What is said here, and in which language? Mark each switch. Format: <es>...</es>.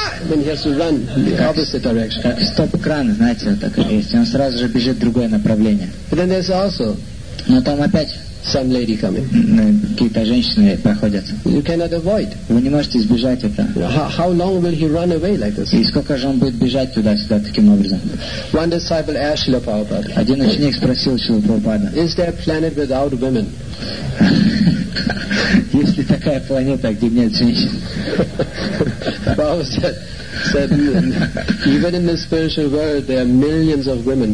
<en>When he has to run the opposite direction.</en> <ru>Как стоп-кран, знаете, так и есть. Он сразу же бежит в другое направление.</ru> <en>But then there's also,</en> <ru>но там опять</ru> <en>some lady coming.</en> <ru>Какие-то женщины проходят.</ru> <en>You cannot avoid.</en> <ru>Вы не можете избежать это.</ru> <en>How long will he run away like this?</en> <ru>И сколько же он будет бежать туда-сюда таким образом?</ru> <en>One disciple asked Śrīla Prabhupāda.</en> <ru>Один ученик спросил Śrīla Prabhupāda.</ru> <en>Is there a planet without women?</en> <ru>Есть ли такая планета, где нет женщин?</ru> <en>Prabhupāda said, even in the spiritual world, there are millions of women,</en>